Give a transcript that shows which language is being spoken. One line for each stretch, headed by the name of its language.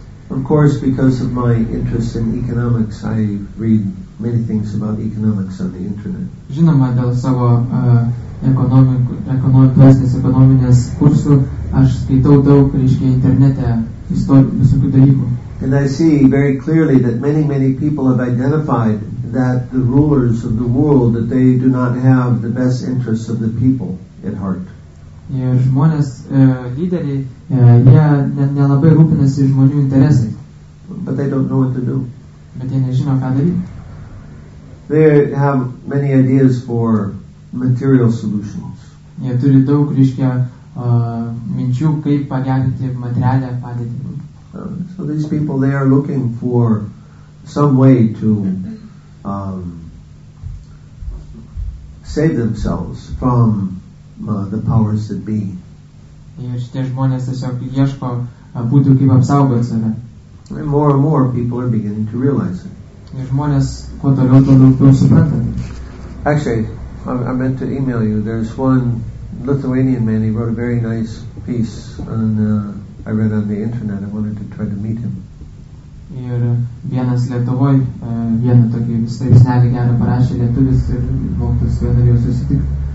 English: Of course, because of my interest in economics, I read many things about economics on the internet.
Lithuanian: Žinoma, dėl savo ekonominės kursų, aš skaitau daug, reiškia, internete visokių dalykų.
English: And I see very clearly that many, many people have identified that the rulers of the world, that they do not have the best interests of the people at heart.
Lithuanian: Ir žmonės, lyderiai, jie nelabai rūpinasi žmonių interesai.
English: But they don't know what to do.
Lithuanian: Bet jie nežino, ką daryti.
English: They have many ideas for material solutions.
Lithuanian: Jie turi daug, reiškia, minčių, kaip pagerinti materialę padėtį.
English: So these people, they are looking for some way to save themselves from the powers that be.
Lithuanian: Ir šitie žmonės tiesiog ieško būdų, kaip apsaugoti save.
English: More and more people are beginning to realize it.
Lithuanian: Ir žmonės kuo toliau to daugiau supranta.
English: Actually, I meant to email you. There's one Lithuanian man, he wrote a very nice piece on I read on the internet. I wanted to try to meet him.
Lithuanian: Ir vienas Lietuvoj, vieną tokį visą išnelį gerą parašė lietuvis ir mokytis vieną jau susitikti.